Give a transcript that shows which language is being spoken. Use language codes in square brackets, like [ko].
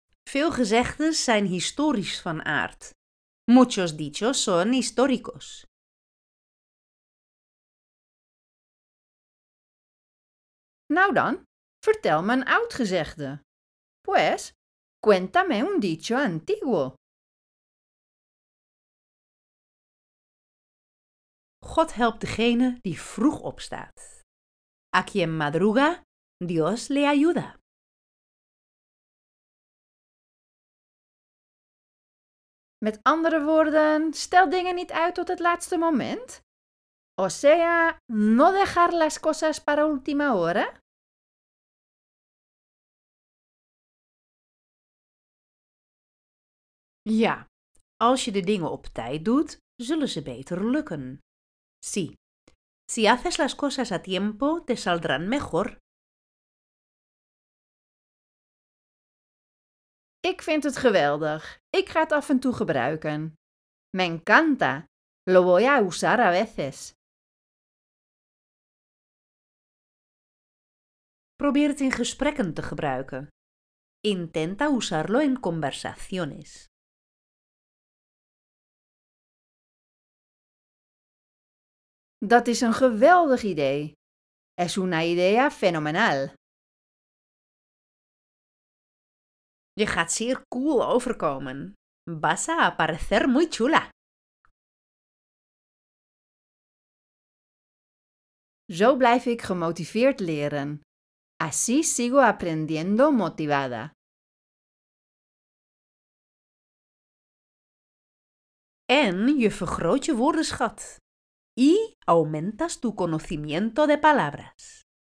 [nl] Veel gezegdes zijn historisch van aard. [es] Muchos dichos son históricos. [nl] Nou dan, vertel me een oud gezegde. [es] Pues, cuéntame un dicho antiguo. [nl] God helpt degene die vroeg opstaat. [es] A quien madruga, Dios le ayuda. [nl] Met andere woorden, stel dingen niet uit tot het laatste moment. [es] O sea, no dejar las cosas para última hora. [nl] Ja, als je de dingen op tijd doet, zullen ze beter lukken. [es] Sí. Si haces las cosas a tiempo, te saldrán mejor. [nl] Ik vind het geweldig. Ik ga het af en toe gebruiken. [es] Me encanta. Lo voy a usar a veces. [nl] Probeer het in gesprekken te gebruiken. [es] Intenta usarlo en conversaciones. [nl] Dat is een geweldig idee. [es] Es una idea fenomenal. [nl] Je gaat zeer cool overkomen. [es] Vas a parecer muy chula. [nl] Zo blijf ik gemotiveerd leren. [es] Así sigo aprendiendo motivada. [nl] En je vergroot je woordenschat. [es] Y aumentas tu conocimiento de palabras.